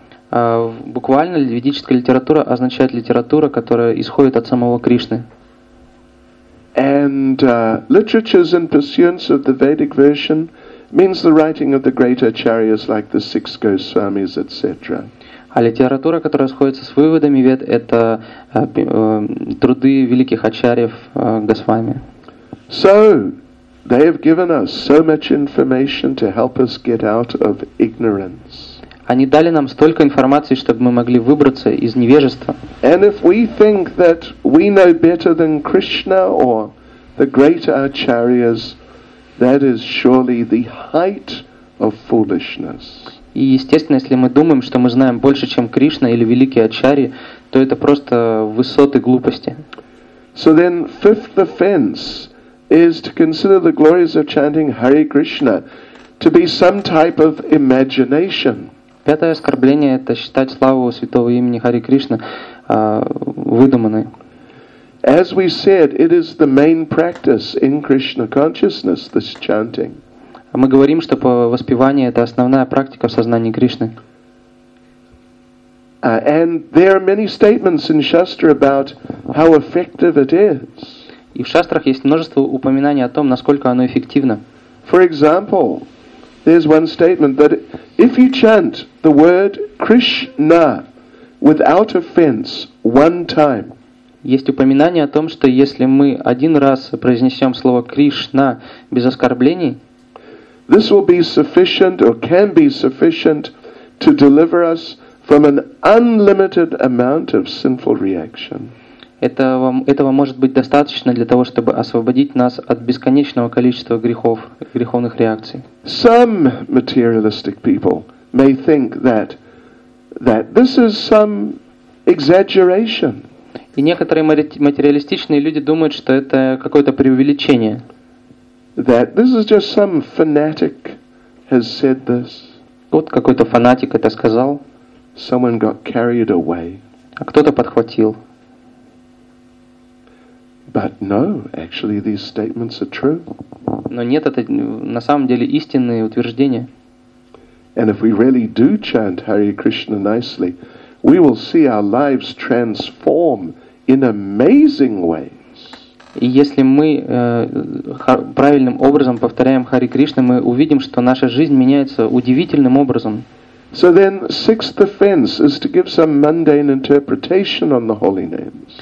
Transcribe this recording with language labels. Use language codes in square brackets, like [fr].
[ru] Буквально ведическая литература означает литература, которая исходит от самого Кришны. [en] And literatures in pursuance of the Vedic version means the writing of the great acharyas like the six Goswamis, etc. [ru] А литература, которая сходится с выводами вед, это труды великих ачарьев Госвами. [en] So they have given us so much information to help us get out of ignorance. [ru] Они дали нам столько информации, чтобы мы могли выбраться из невежества. [en] And if we think that we know better than Krishna or the great acharyas, that is surely the height of foolishness. [ru] И естественно, если мы думаем, что мы знаем больше, чем Кришна или великие ачарьи, то это просто высоты глупости. [en] So then, fifth offense is to consider the glories of chanting Hare Krishna to be some type of imagination. [ru] Пятое оскорбление – это считать славу святого имени Хари Кришна выдуманной. [en] As we said, it is the main practice in Krishna consciousness, this chanting. [ru] Мы говорим, что воспевание – это основная практика в сознании Кришны. [en] And there are many statements in Shastra about how effective it is. [ru] И в шастрах есть множество упоминаний о том, насколько оно эффективно. [en] For example, there's one statement that if you chant the word Krishna without offense one time. [ru] Есть упоминание о том, что если мы один раз произнесем слово Кришна без оскорблений, [en] this will be sufficient or can be sufficient to deliver us from an unlimited amount of sinful reaction. [ru] Этого может быть достаточно для того, чтобы освободить нас от бесконечного количества грехов, греховных реакций. [en] Some materialistic people may think that this is some exaggeration. [ru] И некоторые материалистичные люди думают, что это какое-то преувеличение. [en] That this is just some fanatic has said this. [ru] Вот какой-то фанатик это сказал. [en] Someone got carried away. [ru] А кто-то подхватил. [en] But no, actually these statements are true. [ru] Но нет, это на самом деле истинные утверждения. [en] And if we really do chant Hare Krishna nicely, we will see our lives transform in amazing ways. [ru] И если мы правильным образом повторяем Хари Кришна, мы увидим, что наша жизнь меняется удивительным образом. [en] So then, sixth offense is to give some mundane interpretation on the holy names.